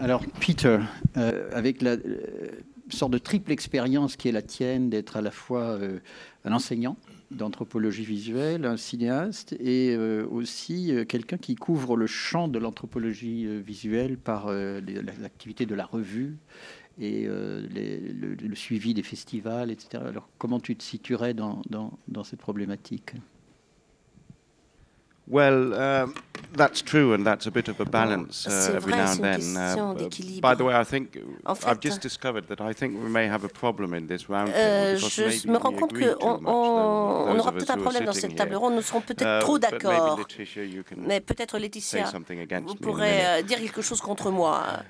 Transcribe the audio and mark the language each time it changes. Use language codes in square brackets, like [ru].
[fr] Alors, Peter, avec la sorte de triple expérience qui est la tienne d'être à la fois un enseignant d'anthropologie visuelle, un cinéaste et aussi quelqu'un qui couvre le champ de l'anthropologie visuelle par l'activité de la revue, et le suivi des festivals, etc. Alors, comment tu te situerais dans cette problématique? [en] Well, that's true, and that's a bit of a balance every [fr] vrai, [en] now and then. By the way, I think I've just discovered that I think we may have a problem in this round. [fr] Je me rends compte que on aura peut-être un problème dans cette table ronde. Nous serons peut-être trop d'accord. Mais peut-être Laetitia, vous pourrez dire quelque chose contre moi.